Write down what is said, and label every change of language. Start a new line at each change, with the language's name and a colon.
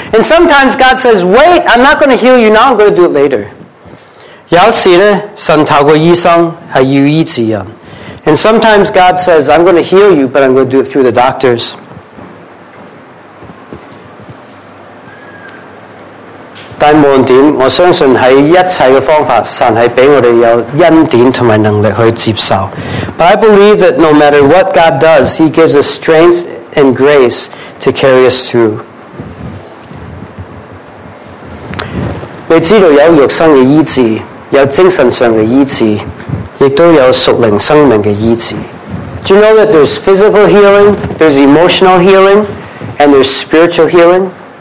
English: And sometimes God says, "Wait, I'm not going to heal you now. I'm going to do it later."
Cantonese: 有时咧，神透过医生系要医治人，
English: and sometimes God says, "I'm going to heal you, but I'm going to do it through the doctors."
Cantonese: 但无论点，我相信喺一切嘅方法，神系俾我哋有恩典同埋能力去接受。
English: But I believe that no matter what God does, He gives us strength and grace to carry us through.
Cantonese: 你知道有肉身嘅医治，有精神上嘅医治，亦都有属灵生命嘅医治。
English: Do you know that there's physical healing, there's emotional healing, and there's spiritual healing?